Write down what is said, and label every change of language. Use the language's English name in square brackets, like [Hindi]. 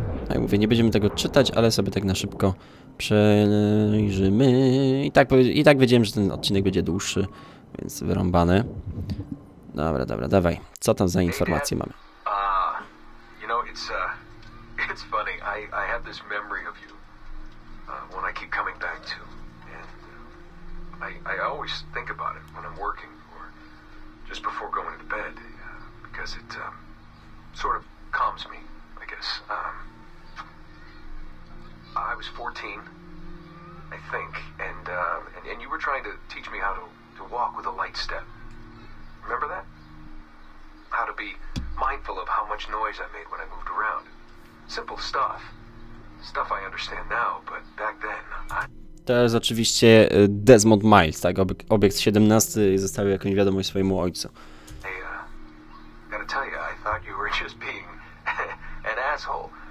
[Polish] Jak mówię, nie będziemy tego czytać, ale sobie tak na szybko przejrzymy. I tak wiedziałem, że ten odcinek będzie dłuższy, więc wyrąbane. Dobra, dobra, dawaj. Co tam za informacje mamy? [English] You know, it's funny. I have this memory of you. One I keep coming back to. And I always think about it when I'm working. Just before going to bed, because it sort of calms me, I guess. I was 14, I think, and you were trying to teach me how to walk with a light step. Remember that? How to be mindful of how much noise I made when I moved around. Simple stuff. Stuff I understand now, but back then I... [Polish] To jest oczywiście Desmond Miles, tak? Obiekt 17 i zostawił jakąś wiadomość swojemu ojcu. [English] Hey, gotta tell you, I thought you were just being an asshole.